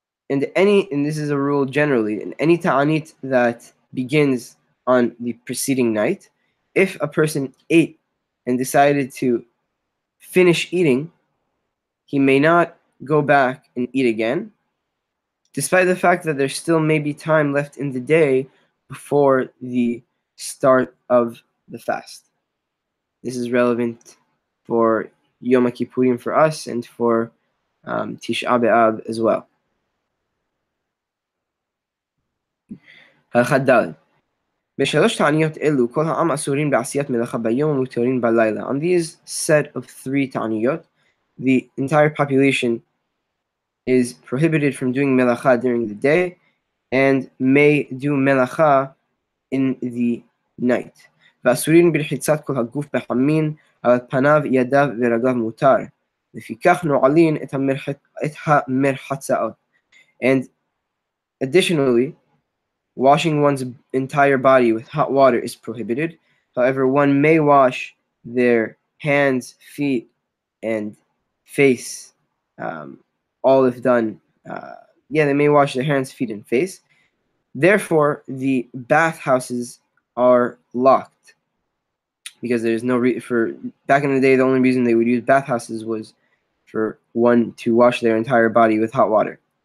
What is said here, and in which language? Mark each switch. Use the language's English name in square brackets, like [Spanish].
[English] And any, and this is a rule generally, and any ta'anit that begins on the preceding night, if a person ate and decided to finish eating, he may not go back and eat again, despite the fact that there still may be time left in the day before the start of the fast. This is relevant for Yom HaKippurim for us and for Tisha B'Av as well. [Hebrew] Halachat Dal. בשלוש תעניות אלו, כל העם אסורים בעשיית מלאכה ביום ומותרים בלילה. [English] On these set of three תעניות, the entire population is prohibited from doing מלאכה during the day and may do מלאכה in the night. [Hebrew] ואסורים בלחיצת כל הגוף בחמין על פניו, ידיו ורגליו מותר. לפיכך נועלין את המרחצאות. [English] And additionally, washing one's entire body with hot water is prohibited. However, one may wash their hands, feet, and face, all if done. They may wash their hands, feet, and face. Therefore, the bathhouses are locked because there is no back in the day, the only reason they would use bathhouses was for one to wash their entire body with hot water.